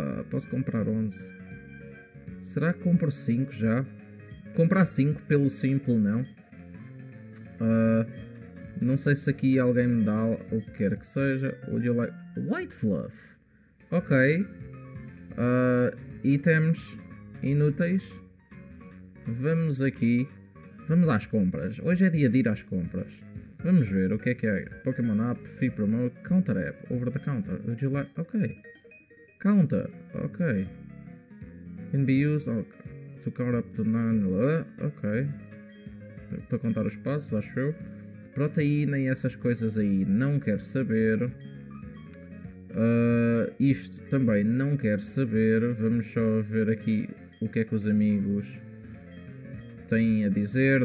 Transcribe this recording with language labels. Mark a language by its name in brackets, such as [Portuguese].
[Portuguese] Posso comprar 11. Será que compro 5 já? Comprar 5 pelo simple, não? Não sei se aqui alguém me dá o que quer que seja. [English] Would you like White Fluff? [Portuguese] Ok. Itens inúteis. Vamos aqui. Vamos às compras. Hoje é dia de ir às compras. Vamos ver o que é Pokémon App, Free Promo, Counter App, Over the Counter. [English] Would you like. [Portuguese] Ok. Counter. Ok. [English] Can be used to count up to 9. [Portuguese] Ok. Para contar os passos, acho eu. Proteína e essas coisas aí, não quero saber. Isto também não quero saber. Vamos só ver aqui o que é que os amigos têm a dizer.